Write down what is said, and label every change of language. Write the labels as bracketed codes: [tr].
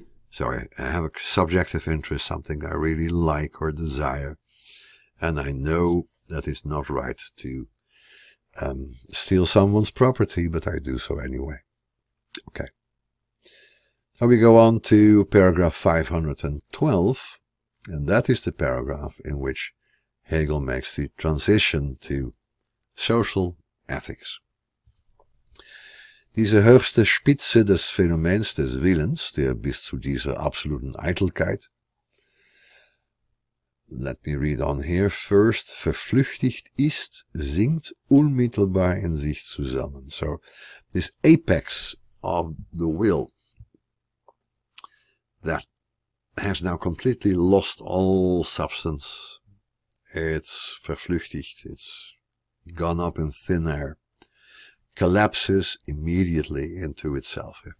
[en] So I have a subjective interest, something I really like or desire, and I know that it's not right to steal someone's property, but I do so anyway. Okay. So we go on to paragraph 512, and that is the paragraph in which Hegel makes the transition to social ethics. [de] Diese höchste Spitze des Phänomens des Willens, der bis zu dieser absoluten Eitelkeit, [en] let me read on here first, [de] verflüchtigt ist, sinkt unmittelbar in sich zusammen. [en] So this apex of the will that has now completely lost all substance, it's verflüchtigt, it's gone up in thin air, collapses immediately into itself.